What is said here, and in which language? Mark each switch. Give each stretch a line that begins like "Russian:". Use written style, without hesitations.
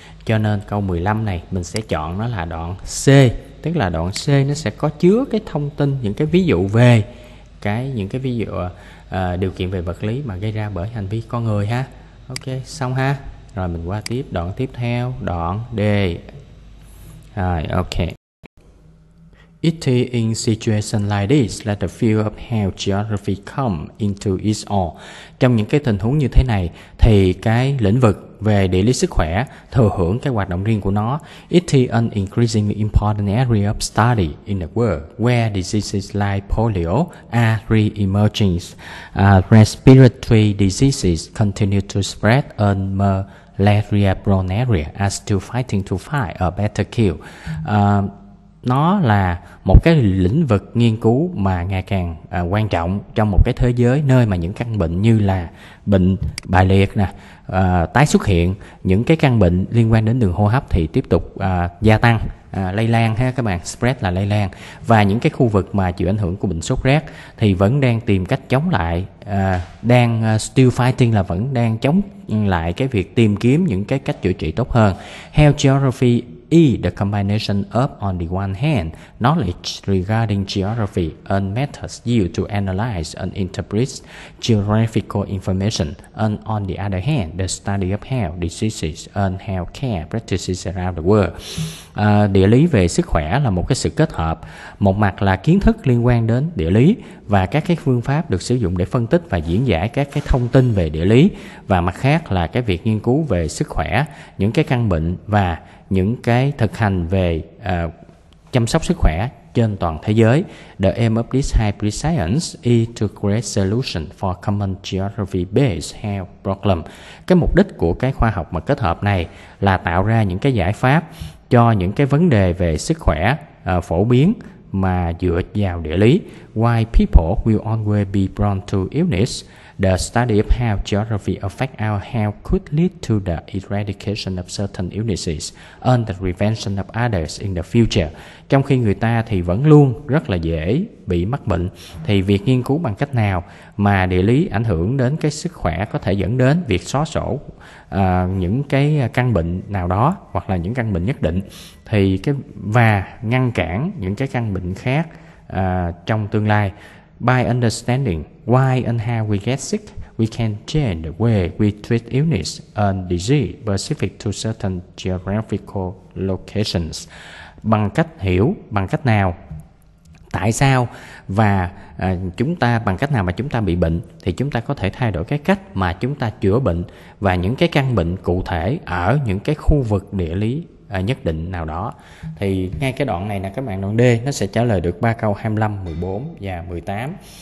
Vietnamese: Cho nên câu 15 này mình sẽ chọn nó là đoạn C, tức là đoạn C nó sẽ có chứa cái thông tin, những cái ví dụ về cái những cái ví dụ điều kiện về vật lý mà gây ra bởi hành vi con người ha. Ok, xong ha. Rồi mình qua tiếp đoạn tiếp theo, đoạn D. Rồi, ok.
English: It is in situation like this that the field of health geography comes into its own.
Vietnamese: Trong những cái tình huống như thế này, thì cái lĩnh vực về địa lý sức khỏe thừa hưởng cái hoạt động riêng của nó.
English: It is an increasingly important area of study in the world where diseases like polio are re-emerging. Respiratory diseases continue to spread and malaria-prone area are still fighting to find a better cure.
Vietnamese: Nó là một cái lĩnh vực nghiên cứu mà ngày càng quan trọng trong một cái thế giới nơi mà những căn bệnh như là bệnh bại liệt nè, tái xuất hiện, những cái căn bệnh liên quan đến đường hô hấp thì tiếp tục gia tăng, lây lan ha các bạn, spread là lây lan. Và những cái khu vực mà chịu ảnh hưởng của bệnh sốt rét thì vẫn đang tìm cách chống lại, đang
English: still fighting
Vietnamese: là vẫn đang chống lại cái việc tìm kiếm những cái cách chữa trị tốt hơn.
English: Health geography E, the combination of, on the one hand, knowledge regarding geography and methods used to analyze and interpret geographical information, and on the other hand, the study of health diseases and healthcare practices around the world.
Vietnamese: Địa lý về sức khỏe là một cái sự kết hợp. Một mặt là kiến thức liên quan đến địa lý và các cái phương pháp được sử dụng để phân tích và diễn giải các cái thông tin về địa lý. Và mặt khác là cái việc nghiên cứu về sức khỏe, những cái căn bệnh và những cái thực hành về chăm sóc sức khỏe trên toàn thế giới.
English: The aim of this hybrid science is to create solution for common geography-based health problem.
Vietnamese: Cái mục đích của cái khoa học mà kết hợp này là tạo ra những cái giải pháp cho những cái vấn đề về sức khỏe phổ biến mà dựa vào địa lý.
English: Why people will always be prone to illness? The study of how geography affects our health could lead to the eradication of certain illnesses and the prevention of others in the future.
Vietnamese: Trong khi người ta thì vẫn luôn rất là dễ bị mắc bệnh, thì việc nghiên cứu bằng cách nào mà địa lý ảnh hưởng đến cái sức khỏe có thể dẫn đến việc xóa sổ những cái căn bệnh nào đó hoặc là những căn bệnh nhất định, thì cái và ngăn cản những cái căn bệnh khác trong tương lai.
English: By understanding why and how we get sick, we can change the way we treat illness and disease specific to certain geographical locations.
Vietnamese: Bằng cách hiểu bằng cách nào, tại sao và chúng ta bằng cách nào mà chúng ta bị bệnh, thì chúng ta có thể thay đổi cái cách mà chúng ta chữa bệnh và những cái căn bệnh cụ thể ở những cái khu vực địa lý nhất định nào đó. Thì ngay cái đoạn này nè các bạn, đoạn D nó sẽ trả lời được 3 câu 25, 14 và 18.